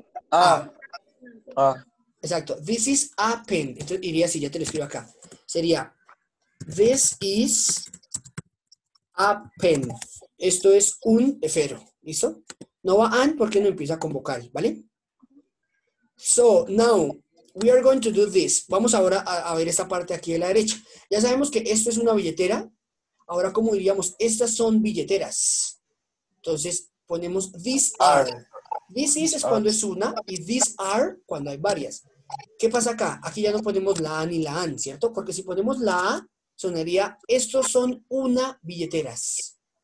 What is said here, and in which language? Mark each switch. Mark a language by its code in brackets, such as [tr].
[en] A. [es] Exacto. [en] This is a pen. [es] Entonces, iría, si ya te lo escribo acá, sería [en] this is a pen. [es] Esto es un efero. ¿Listo? No va an porque no empieza con vocal, ¿vale? [en] So, now, we are going to do this. [es] Vamos ahora a ver esta parte aquí de la derecha. Ya sabemos que esto es una billetera. Ahora, ¿cómo diríamos? Estas son billeteras. Entonces, ponemos these are. This is cuando es una y these are cuando hay varias. ¿Qué pasa acá? Aquí ya no ponemos la A ni la AN, ¿cierto? Porque si ponemos la A, sonaría, estos son una billeteras.